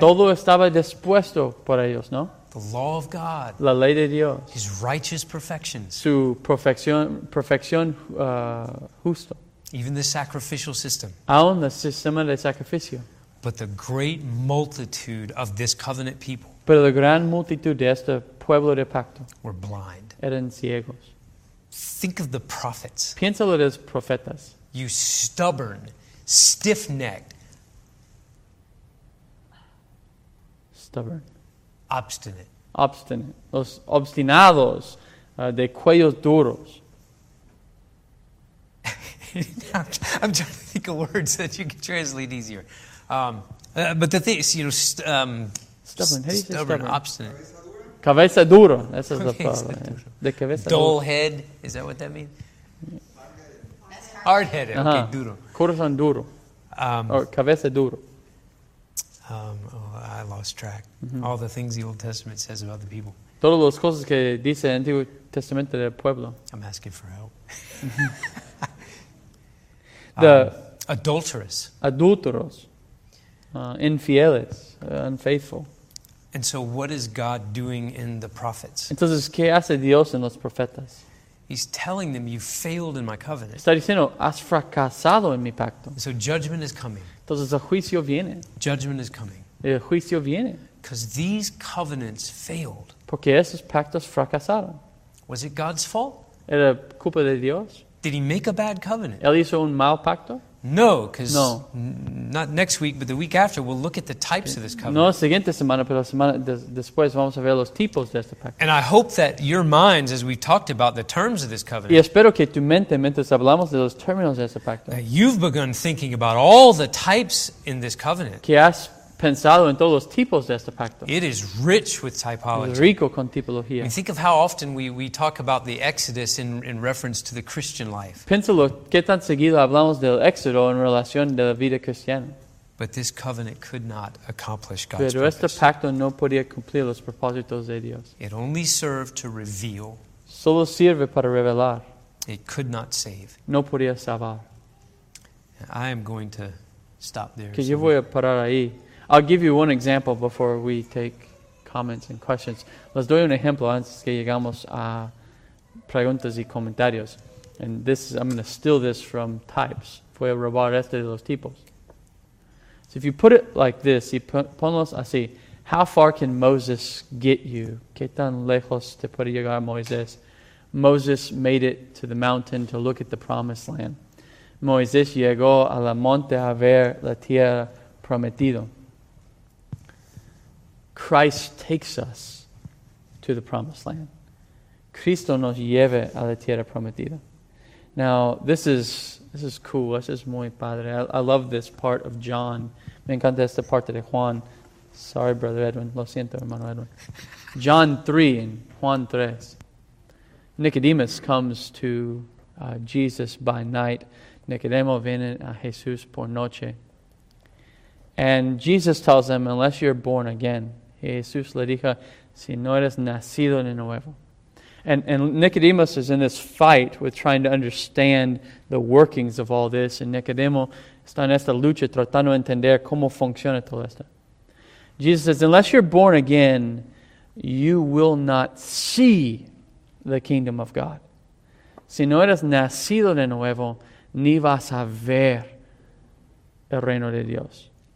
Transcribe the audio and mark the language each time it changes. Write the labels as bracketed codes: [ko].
[es] Todo estaba dispuesto para ellos, ¿no? [en] The law of God. [es] La ley de Dios. [en] His righteous perfections. [es] Su perfección justo. [en] Even the sacrificial system. [es] Aún el sistema de sacrificio. [en] But the great multitude of this covenant people. [es] Pero la gran multitud de este pueblo de pacto. [en] Were blind. [es] eran ciegos. [en] Think of the prophets. [es] Piénsalo de los profetas. [en] You stubborn, stiff-necked. Stubborn. Obstinate. [es] Obstinate. Los obstinados, de cuellos duros. [en] I'm trying to think of words that you can translate easier. But the thing is, you know, stubborn. How do you say stubborn, obstinate. [es] Cabeza duro. [en] That's the problem. [es] De cabeza dull duro. [en] Head. Is that what that means? Hard-headed. Okay, uh-huh. Duro. [es] Corazón duro. Or cabeza duro. [en] I lost track. Mm-hmm. All the things the Old Testament says about the people. [es] Todas las cosas que dice el Antiguo Testamento del pueblo. [en] I'm asking for help. The adulterous. [es] Adulteros. Infieles. Unfaithful. [en] And so what is God doing in the prophets? [es] Entonces, ¿qué hace Dios en los profetas? [en] He's telling them, you failed in my covenant. [es] Está diciendo, has fracasado en mi pacto. [en] So judgment is coming. [es] Entonces, el juicio viene. [en] Judgment is coming. [es] El juicio viene. [en] Because these covenants failed. [es] Porque esos pactos fracasaron. [en] Was it God's fault? [es] ¿Era culpa de Dios? [en] Did he make a bad covenant? [es] ¿Él hizo un mal pacto? [en] No, because not next week, but the week after, we'll look at the types of this covenant. [es] No, la siguiente semana, pero la semana después vamos a ver los tipos de este pacto. [en] And I hope that your minds, as we've talked about the terms of this covenant, [es] y espero que tu mente, mientras hablamos de los términos de este pacto, [en] that you've begun thinking about all the types in this covenant. [es] Que has pensado en todos los tipos de este pacto. [en] It is rich with typology. [es] Es rico con tipología. [en] I mean, think of how often we talk about the Exodus in reference to the Christian life. [es] Piénsalo, ¿qué tan seguido hablamos del Éxodo en relación de la vida cristiana? [en] But this covenant could not accomplish God's purpose. [es] Pero este purpose. Pacto no podía cumplir los propósitos de Dios. [en] It only served to reveal. [es] Solo sirve para revelar. [en] It could not save. [es] No podía salvar. [en] I am going to stop there. [es] Que yo voy a parar ahí. [en] I'll give you one example before we take comments and questions. [es] Les doy un ejemplo antes que llegamos a preguntas y comentarios. [en] And this is, I'm going to steal this from types. [es] Voy a robar este de los tipos. [en] So if you put it like this, [es] y ponlos así. [en] How far can Moses get you? [es] ¿Qué tan lejos te puede llegar Moisés? [en] Moses made it to the mountain to look at the promised land. [es] Moisés llegó a la monte a ver la tierra prometida. [en] Christ takes us to the promised land. [es] Cristo nos lleva a la tierra prometida. [en] Now, this is cool. This is [es] muy padre. [en] I love this part of John. [es] Me encanta esta parte de Juan. [en] Sorry, Brother Edwin. [es] Lo siento, hermano Edwin. [en] John 3 and Juan 3. Nicodemus comes to Jesus by night. [es] Nicodemo viene a Jesús por noche. [en] And Jesus tells him, unless you're born again, [es] Jesús le dijo, si no eres nacido de nuevo. [en] And Nicodemus is in this fight with trying to understand the workings of all this. [es] And Nicodemo está en esta lucha tratando de entender cómo funciona todo esto. [en] Jesus says, unless you're born again, you will not see the kingdom of God. [es] Si no eres nacido de nuevo, ni vas a ver el reino de Dios.